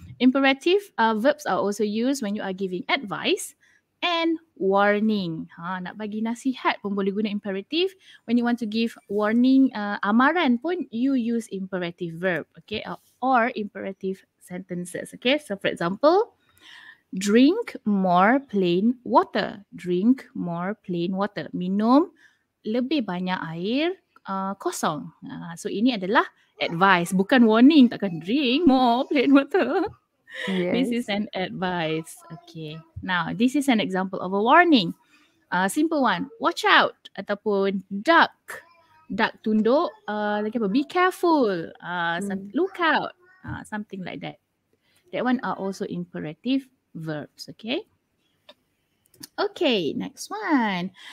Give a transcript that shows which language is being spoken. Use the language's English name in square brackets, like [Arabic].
[English] Imperative verbs are also used when you are giving advice and warning. [Malay] Nak bagi nasihat pun boleh guna imperative. [English] When you want to give warning, [Malay] amaran pun, [English] you use imperative verb. Okay, or imperative sentences. Okay, so for example, drink more plain water. Drink more plain water. [Malay] Minum lebih banyak air kosong. So ini adalah advice, bukan warning. [English] Takkan drink more plain water. Yes. This is an advice. Okay. Now, this is an example of a warning. Simple one. Watch out. Ataupun duck. Duck tunduk. Like apa? Be careful. Look out. Something like that. That one are also imperative verbs. Okay. Okay. Next one.